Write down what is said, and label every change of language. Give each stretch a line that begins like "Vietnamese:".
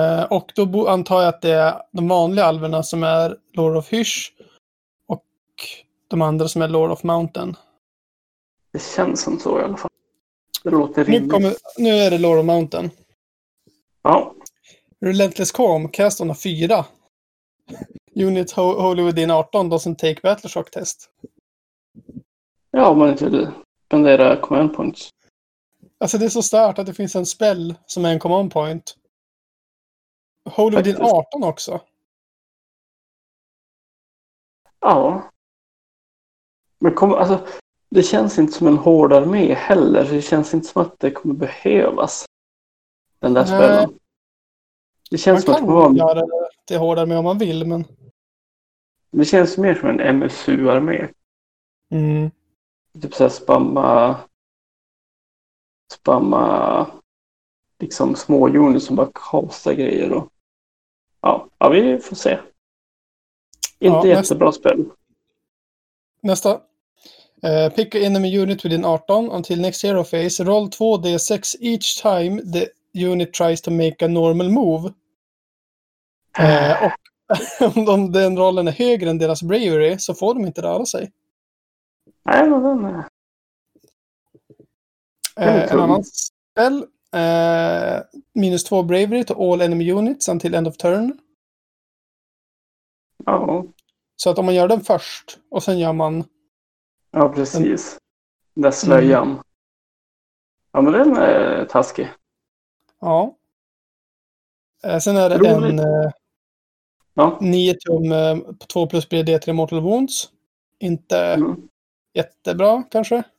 Swedish: Och då antar jag att det är de vanliga alverna som är Lord of Hysch och de andra som är Lord of Mountain. Det känns som så i alla fall. Det låter rimligt. Nu är det Lord of Mountain. Ja.
English: Relentless Calm, cast on 4. Unit Holy Within 18 doesn't take Battleshock test.
Swedish: Ja, men inte det. Spendera command points. Alltså det är så stört att det finns en spell som är en command point. Holy Within 18 också. Ja. Men alltså det känns inte som en hård armé heller. Det känns inte som att det kommer behövas. Den där spellen. Det känns man kan att göra det hård armé om man vill, men det känns mer som en MSU-armé. Mm. Typ såhär spamma liksom småjoner som bara kastar grejer. Och... Ja, vi får se. Inte ja, jättebra spel. Nästa.
English: Pick an enemy unit within 18 until next hero phase. Roll 2d6 each time the unit tries to make a normal move.
Swedish: Och om den rollen är högre än deras bravery så får de inte röra sig. Nej, men den är... En annan spell.
English: Minus 2 bravery to all enemy units until end of turn.
Swedish: Ja. Så att om man gör den först och sen gör man... Ja, precis. Den där slöjan. Mm. Ja, men den är taskig. Ja. Sen är det en ja. 9 tum 2 plus bred D3 Mortal Wounds. Inte jättebra, kanske.